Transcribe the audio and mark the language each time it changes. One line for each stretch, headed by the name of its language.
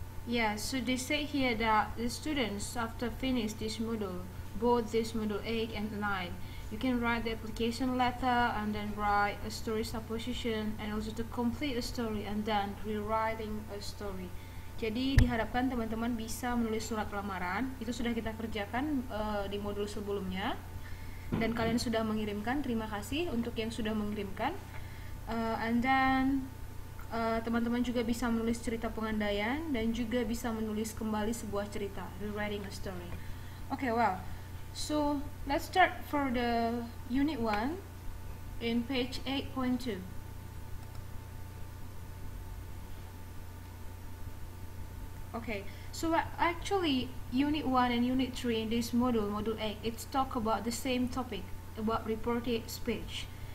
English: Yeah, so they say here that the students, after finish this module, both this module 8 and 9, you can write the application letter and then write a story supposition and also to complete a story and then rewriting a story.
Indonesian: Jadi diharapkan teman-teman bisa menulis surat lamaran. Itu sudah kita kerjakan di modul sebelumnya. Dan kalian sudah mengirimkan, terima kasih untuk yang sudah mengirimkan.
English: And then
Indonesian: teman-teman juga bisa menulis cerita pengandaian dan juga bisa menulis kembali sebuah cerita,
English: rewriting a story. Okay, well. So, let's start for the unit 1 in page 8.2. Okay, so actually unit 1 and unit 3 in this module, module 8, it's talk about the same topic, about reported speech.